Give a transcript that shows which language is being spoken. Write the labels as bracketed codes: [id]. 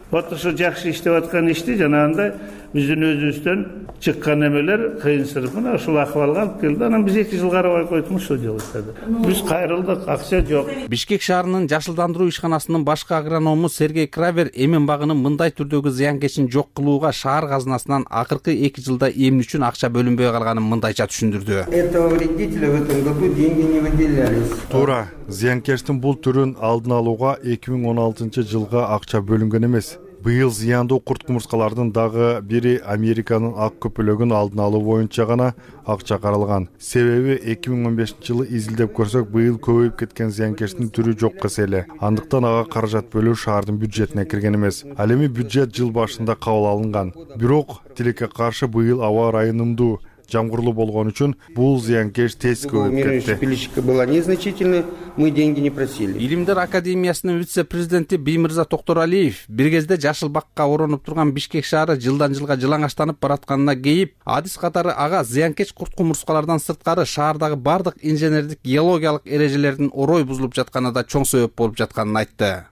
[ky] Вот ошо жакшы иштеп аткан ишти жана анда биздин өзүбүздөн чыккан эмелер кыйынчылык мына ушул акыбалга алып келди. Анан биз 2 жыл карабай койдук ушул жолду. Биз кайрылдык, акча жок. Бишкек шаарынын жашылдандыруу ишканасынын башкы агроному Сергей Кравер эмен багынын мындай түрдөгү зыянкечин жок кылууга шаар казынасынан акыркы 2 жылда эмне үчүн акча бөлүнбөй калганын мындайча түшүндүрдү. [ru] Этого вредителя в этом году деньги не выделялись. [ky] Туура, зыянкечтин бул түрүн алдын алууга 2016 жылга акча бөлүнгөн эмес. Быйыл зыяндуу курт кумурскалардын дагы бири Американын ак көпөлөгүн алдын алуу боюнча гана акча каралган. Себеби 2015 жылы изилдеп көрсөк, быйыл көбөйүп кеткен зыянкечтин түрү жок кыс эле. Андыктан ага каражат бөлүү шаардын бюджетине кирген эмес. Ал эми бюджет жыл башында кабыл алынган. Бирок тилекке каршы быйыл аба ырайы ымдуу, жамгырлуу болгон үчүн бул зыянкеч тез көбөйүп кетти. [ru] Пилечка была незначительная, мы деньги не просили. [ky] Илимдер академиясынын вице президенти Бимырза Токторалиев бир кезде жашыл бакка оронуп турган Бишкек шаары жылдан жылга жылаңаштанып баратканына кейип, адис катары ага зыянкеч курт кумурскалардан сырткары шаардагы бардык инженердик геологиялык эрежелердин орой бузулуп жатканы да чоң себеп болуп жатканын айтты.